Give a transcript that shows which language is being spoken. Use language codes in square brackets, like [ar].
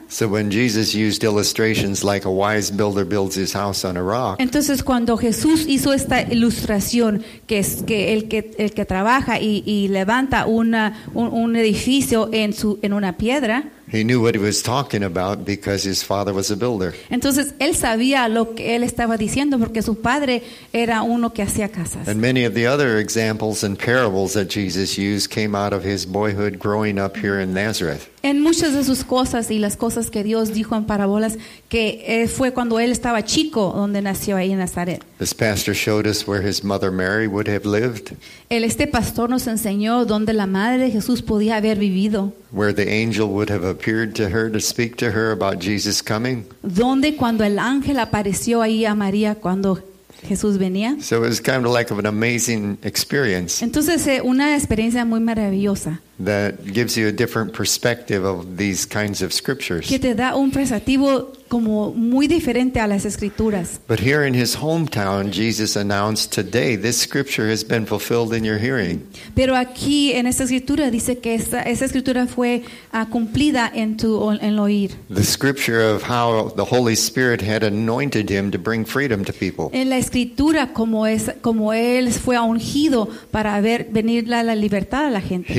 [en] So when Jesus used illustrations like a wise builder builds his house on a rock. [es] Entonces cuando Jesús hizo esta ilustración que el que trabaja y levanta un edificio en una piedra. [en] He knew what he was talking about because his father was a builder. [es] Entonces él sabía lo que él estaba diciendo porque su padre era uno que hacía casas. [en] And many of the other examples and parables that Jesus used came out of his boyhood growing up here in Nazareth. [es] En muchas de sus cosas y las cosas que Dios dijo en parábolas que fue cuando él estaba chico donde nació ahí en Nazaret. [en] This pastor showed us where his mother Mary would have lived. [es] Este pastor nos enseñó dónde la madre de Jesús podía haber vivido. [en] Where the angel would have appeared to her to speak to her about Jesus coming. [es] Dónde cuando el ángel apareció ahí a María cuando Jesús venía. [en] So it was kind of like an amazing experience. [es] Entonces una experiencia muy maravillosa. [en] That gives you a different perspective of these kinds of scriptures. [es] Que te da un perspectivo como muy diferente a las escrituras. [en] But here in his hometown, Jesus announced today this scripture has been fulfilled in your hearing. [es] Pero aquí en esta escritura dice que esa escritura fue cumplida en el oír. [en] The scripture of how the Holy Spirit had anointed him to bring freedom to people. [es] En la escritura como él fue ungido para ver venir la libertad a la gente.